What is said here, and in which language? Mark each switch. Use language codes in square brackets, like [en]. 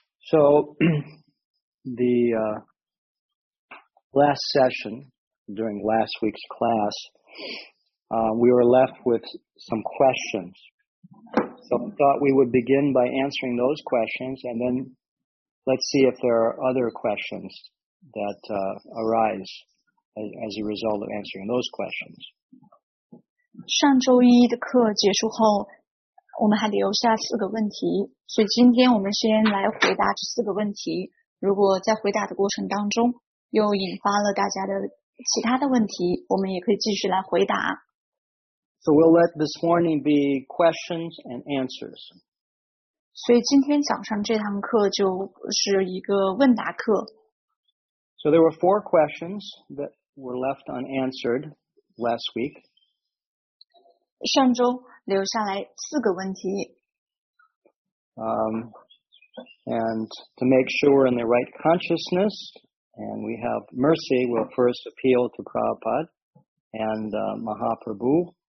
[en] So, the last session during last week's class, we were left with some questions. So I thought we would begin by answering those questions and then let's see if there are other questions that arise as a result of answering those questions. [zh] 上周一的课结束后，我们还留下四个问题，所以今天我们先来回答这四个问题。如果在回答的过程当中又引发了大家的其他的问题，我们也可以继续来回答。 [en] So we'll let this morning be questions and answers. [zh] 所以今天早上这堂课就是一个问答课。 [en] So there were four questions that were left unanswered last week. [zh] 上周留下来四个问题。 [en] And to make sure we're in the right consciousness, and we have mercy, we'll first appeal to Prabhupada and Mahaprabhu.